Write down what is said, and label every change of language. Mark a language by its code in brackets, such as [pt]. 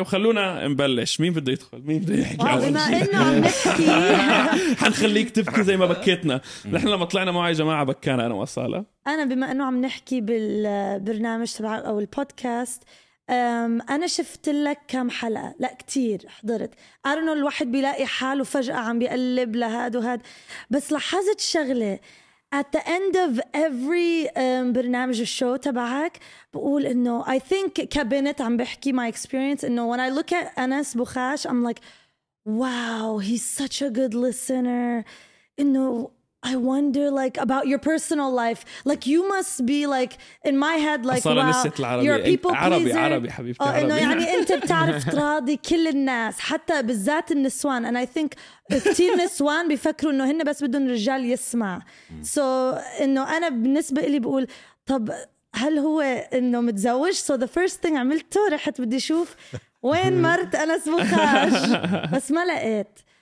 [ar] وخلونا نبلش، مين بده يدخل، مين بده يحكي؟ بما انه عم نحكي حنخليك تبكي زي ما بكيتنا. نحن لما طلعنا معي جماعه بكانا انا وصاله. انا بما انه عم نحكي بالبرنامج تبع او البودكاست، انا شفت لك كم حلقه، لا كتير حضرت. ارنو الواحد بيلاقي حاله فجاه عم بيقلب لهاد وهاد، بس لاحظت شغله [en] at the end of every [ar] برنامج الشو تبعك بقول انه [en] I think [ar] كابنت عم بحكي [en] my experience انه when I look at Anas Bukhash I'm like wow he's such a good listener, انه I wonder like about your personal life, like you must be like in my head like wow you're a people pleaser. [ar] عربي عربي حبيبتي عربي. انه يعني انت بتعرف تراضي كل الناس حتى بالذات النسوان، [en] and I think [ar] كتير نسوان بيفكروا انه هن بس بدهم رجال يسمع. So انه انا بالنسبة لي بقول طب هل هو انه متزوج؟ [en] So the first thing [ar] عملته رحت بدي اشوف وين مرت أنس بخاش، بس ما لقيت.